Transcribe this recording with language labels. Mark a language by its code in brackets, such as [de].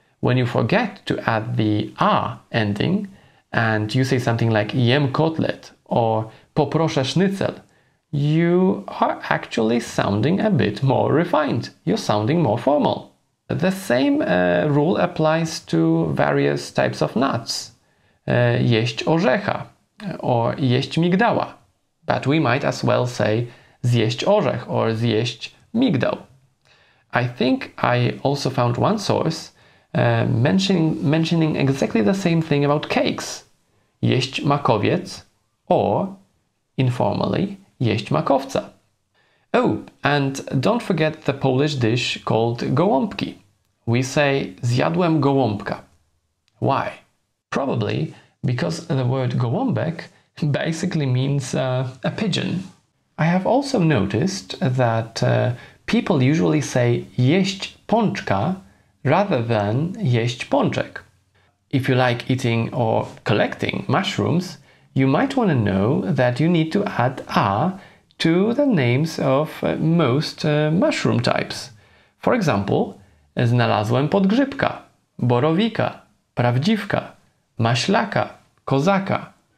[en] When you forget to add the a ending and you say something like [pl] jem kotlet [en] or [pl] poproszę sznycel, [en] you are actually sounding a bit more refined. You're sounding more formal. The same rule applies to various types of nuts. [pl] Jeść orzecha [en] or [pl] jeść migdała. [en] But we might as well say [pl] zjeść orzech [en] or [pl] zjeść migdał. [en] I think I also found one source mentioning exactly the same thing about cakes. [pl] Jeść makowiec [en] or, informally, [pl] jeść makowca. [en] Oh, and don't forget the Polish dish called gołąbki. We say [pl] zjadłem gołąbka. [en] Why? Probably because the word gołąbek basically means a pigeon. I have also noticed that people usually say [pl] jeść pączka [en] rather than [pl] jeść pączek. [en] If you like eating or collecting mushrooms, you might want to know that you need to add a to the names of most mushroom types. For example, [pl] znalazłem podgrzybka, borowika, prawdziwka, maślaka, kozaka.